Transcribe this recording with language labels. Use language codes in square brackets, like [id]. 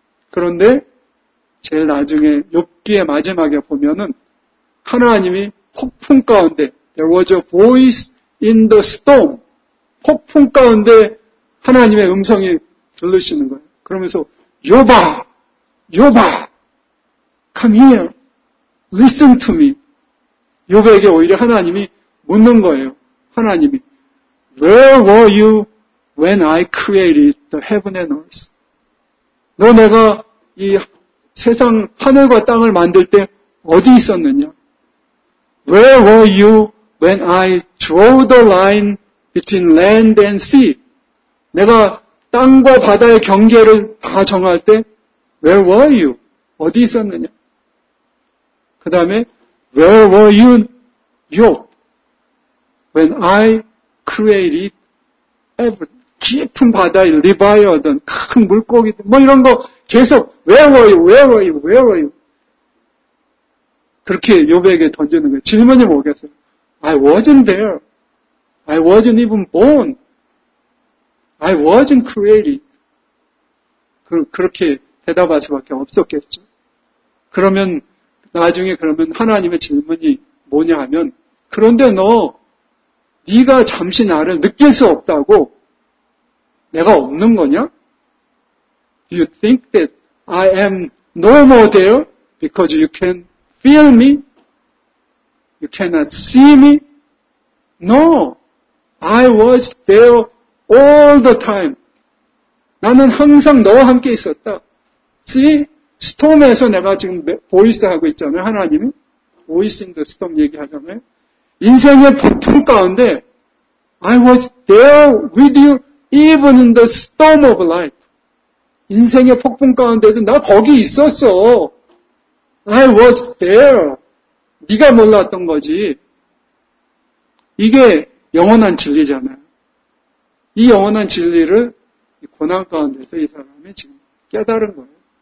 [ko] 그런데 제일 나중에 욥기의 마지막에 보면은 하나님이 폭풍 가운데 [en] There was a voice in the storm. [ko] 폭풍 가운데 하나님의 음성이 들리시는 거예요. [en] 그러면서 욥아, 욥아, come here, listen to me. [ko] 욥에게 오히려 하나님이 묻는 거예요. [en] 하나님이 Where were you when I created the heaven and earth? [ko] 너 내가 이 세상 하늘과 땅을 만들 때 어디 있었느냐? [en] Where were you when I drew the line between land and sea? [ko] 내가 땅과 바다의 경계를 다 정할 때 [en] Where were you? [ko] 어디 있었느냐? [en] 그 다음에 Where were you, Job? When I created heaven. 깊은 바다의 리바이어든 큰 물고기든 뭐 이런 거 계속 Where were you? Where were you? Where were you? [ko] 그렇게 욥에게 던지는 거예요. 질문이 뭐겠어요? [en] I wasn't there. I wasn't even born. I wasn't created. [ko] 그렇게 대답할 수밖에 없었겠죠. 그러면 나중에 그러면 하나님의 질문이 뭐냐 하면 그런데 너 네가 잠시 나를 느낄 수 없다고 내가 없는 거냐? [en] you think that I am no more there because you can feel me? You cannot see me? No, I was there all the time. [ko] 나는 항상 너와 함께 있었다. See, storm에서 내가 지금 voice 하고 있잖아요, 하나님이. [en] Voice in the storm [ko] 얘기하잖아요. 인생의 폭풍 가운데 [en] I was there with you even in the storm of life. [ko] 인생의 폭풍 가운데도 나 거기 있었어. [en] I was there. [ko] 네가 몰랐던 거지. 이게 영원한 진리잖아요. 이 영원한 진리를 고난 가운데서 이 사람이 지금 깨달은 거예요.